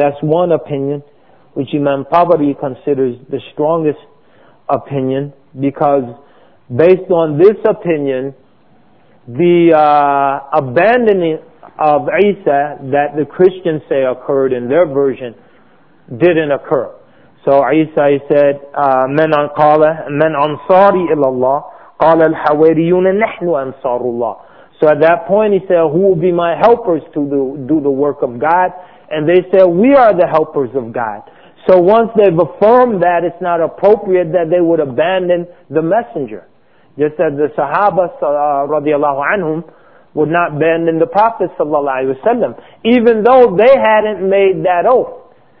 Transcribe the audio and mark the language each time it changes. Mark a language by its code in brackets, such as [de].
[en] That's one opinion, which Imam Tabari considers the strongest opinion, because based on this opinion, the abandoning of Isa that the Christians say occurred in their version didn't occur. So Isa, he said, [ar] من قال من أنصاري إلى الله قال الحواريون نحن أنصار الله. [en] So at that point he said, who will be my helpers to do the work of God? And they said, we are the helpers of God. So once they've affirmed that, it's not appropriate that they would abandon the messenger. Just as the Sahaba radiallahu anhum would not abandon the Prophet sallallahu alaihi wasallam, even though they hadn't made that oath.